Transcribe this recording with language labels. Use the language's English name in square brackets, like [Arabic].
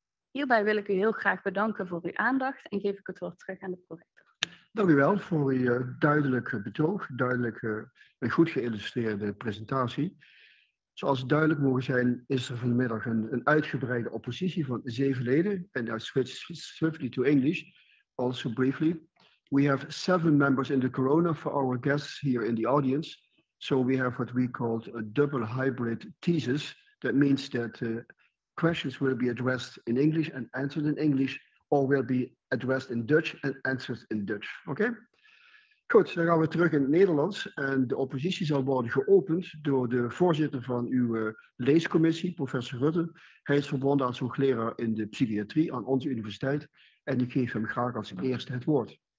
[Dutch] Hierbij wil ik u heel graag bedanken voor uw aandacht en geef ik het woord terug aan de projector. Dank u wel voor uw duidelijke betoog, duidelijke en goed geïllustreerde presentatie. Zoals duidelijk mogen zijn, is er vanmiddag een uitgebreide oppositie van 7 leden. [English] En I switch swiftly to English, also briefly. We have 7 members in the corona for our guests here in the audience. So we have what we call a double hybrid thesis. That means that questions will be addressed in English and answered in English, or will be addressed in Dutch and answered in Dutch. Okay? [Dutch] Goed, dan gaan we terug in het Nederlands en de oppositie zal worden geopend door de voorzitter van uw leescommissie, professor Rutte. Hij is verbonden als hoogleraar in de psychiatrie aan onze universiteit en ik geef hem graag als eerste het woord.